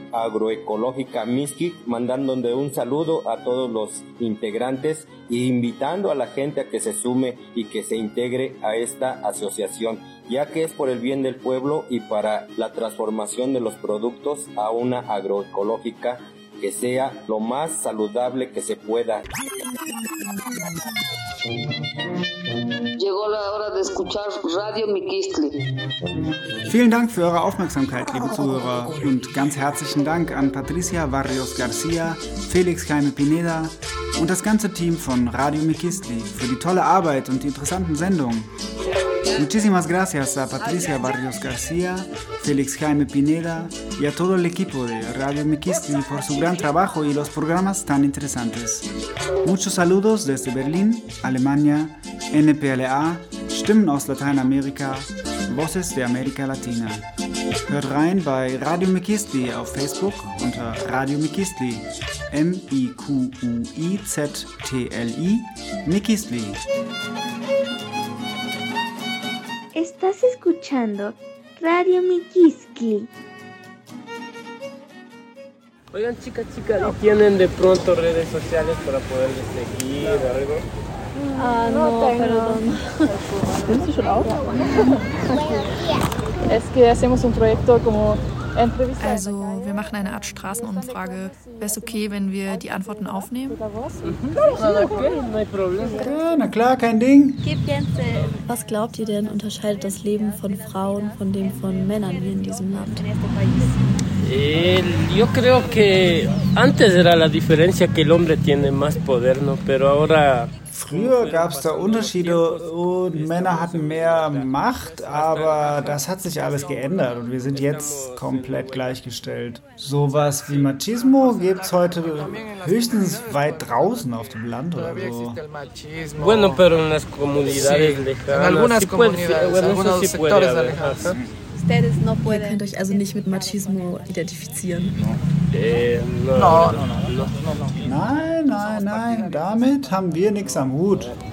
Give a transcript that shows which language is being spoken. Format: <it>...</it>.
<es>Agroecológica Miskik, mandándole un saludo a todos los integrantes e invitando a la gente a que se sume y que se integre a esta asociación, ya que es por el bien del pueblo y para la transformación de los productos a una agroecológica que sea lo más saludable que se pueda. Llegó la hora de escuchar Radio Mikistli.</es> <de>Vielen Dank für eure Aufmerksamkeit, liebe Zuhörer. Und ganz herzlichen Dank an Patricia Barrios Garcia, Felix Jaime Pineda und das ganze Team von Radio Mikistli für die tolle Arbeit und die interessanten Sendungen.</de> <es>Muchísimas gracias a Patricia Barrios Garcia, Felix Jaime Pineda y a todo el equipo de Radio Mikistli por su gran trabajo y los programas tan interesantes. Muchos saludos desde Berlín, Alemania, NPLA, Stimmen aus Lateinamerika, Voces de América Latina.</es> <de>Hört rein bei Radio Mikistli auf Facebook unter Radio Mikistli, M-I-Q-U-I-Z-T-L-I, Mikistli.</de> <es>Estás escuchando Radio Mikistli. Oigan, chica, ¿y tienen de pronto redes sociales para poderles seguir o algo? No, no tengo. Perdón. ¿Tienes tu chorado? Es que hacemos un proyecto como...</es> <de>Also, wir machen eine Art Straßenumfrage. Wäre es okay, wenn wir die Antworten aufnehmen? Ja, na klar, kein Ding. Was glaubt ihr denn, unterscheidet das Leben von Frauen von dem von Männern hier in diesem Land?</de> <es>Yo creo que antes era la diferencia que el hombre tiene más poder, ¿no? Pero ahora...</es> <de>Früher gab es da Unterschiede und Männer hatten mehr Macht, aber das hat sich alles geändert und wir sind jetzt komplett gleichgestellt. Sowas wie Machismo gibt es heute höchstens weit draußen auf dem Land oder so.</de> <es>Bueno, pero en las comunidades lejanas. Algunas comunidades, algunos sectores lejanos.</es> <de>Ihr könnt euch also nicht mit Machismo identifizieren. Nein, damit haben wir nichts am Hut.</de>